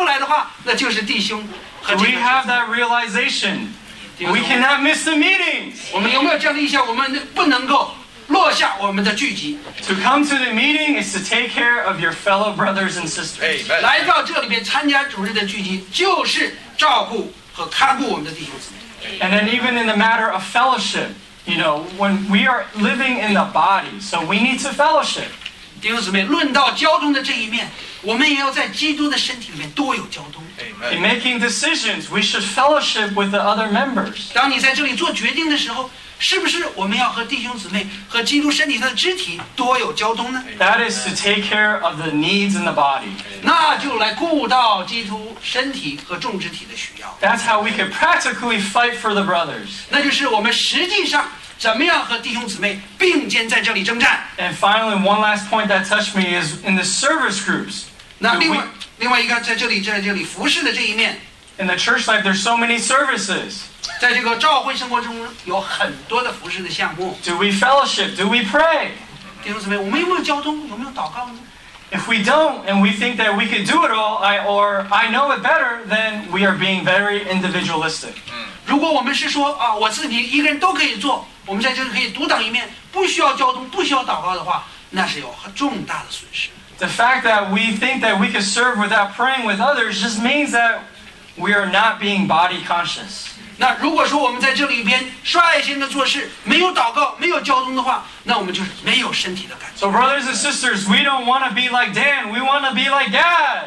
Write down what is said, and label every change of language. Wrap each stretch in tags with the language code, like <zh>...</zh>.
<en>Do we have that realization? We cannot miss the meetings. To come to the meeting is to take care of your fellow brothers and sisters.</en> <zh>来到这里面参加主日的聚集就是照顾</zh> <en>And then even in the matter of fellowship, you know, when we are living in the body, so we need to fellowship.</en> <zh>弟兄姊妹，论到交通的这一面，我们也要在基督的身体里面多有交通。</zh> <en>In making decisions, we should fellowship with the other members.</en> <zh>当你在这里做决定的时候，是不是我们要和弟兄姊妹和基督身体的肢体多有交通呢？</zh> <en>That is to take care of the needs in the body.</en> <zh>那就来顾到基督身体和众肢体的需要。</zh> <en>That's how we can practically fight for the brothers.</en> <zh>那就是我们实际上怎么样和弟兄姊妹并肩在这里征战。</zh> <en>And finally, one last point that touched me is in the service groups.</en> <zh>那另外一个在这里服侍的这一面。</zh> <en>In the church life, there's so many services.</en> <zh>在这个召会生活中有很多的服侍的项目。</zh> <en>Do we fellowship? Do we pray?</en> <zh>弟兄姊妹，我们有没有交通？有没有祷告呢？</zh> <en>If we don't, and we think that we could do it all, I know it better, then we are being very individualistic.</en> <zh>如果我们是说啊，我自己一个人都可以做，我们在这里可以独当一面，不需要交通，不需要祷告的话，那是有重大的损失。</zh> <en>The fact that we think that we could serve without praying with others just means that. We are not being body conscious.</en> <zh>那如果说我们在这里边率先的做事，没有祷告，没有交通的话，那我们就是没有身体的感觉。</zh> <en>So brothers and sisters, we don't want to be like Dan. We want to be like Gad.</en>